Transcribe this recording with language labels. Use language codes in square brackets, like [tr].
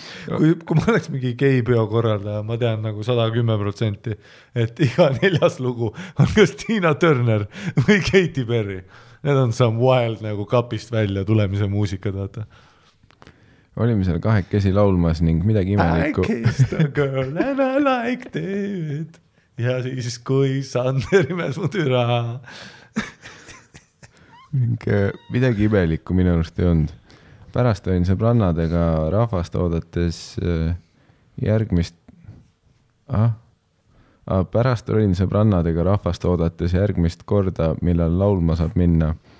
[et] Kui ma oleks mingi geipeo korraldaja, ma tean nagu 110%, et iga neljas lugu on kas Tina Turner või Katy Perry. Need on [en] some wild [et] nagu kapist välja tulemise muusika taata. Olime seal kahekesi laulmas ning midagi imeliku... [en] I kissed a girl and I liked it. [et] Ja siis kui Sander imes mu türa. Ning midagi imeliku minu arust ei olnud. Pärast olin sõbrannadega rahvast oodates järgmist... Pärast olin sõbrannadega rahvast oodates järgmist korda, millal laulma saab minna.